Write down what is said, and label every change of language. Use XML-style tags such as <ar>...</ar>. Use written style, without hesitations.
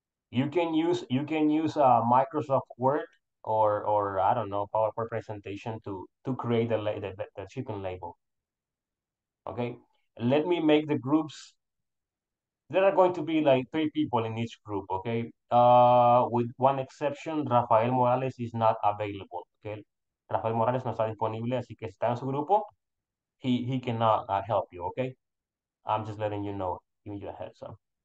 <en>You can use a Microsoft Word or I don't know, PowerPoint presentation to create the shipping label. Okay? Let me make the groups. There are going to be like three people in each group, okay? With one exception, Rafael Morales is not available, okay?</en> <es>Rafael Morales no está disponible, así que está en su grupo.</es> <en>He cannot help you, okay? I'm just letting you know, giving you a heads up.</en>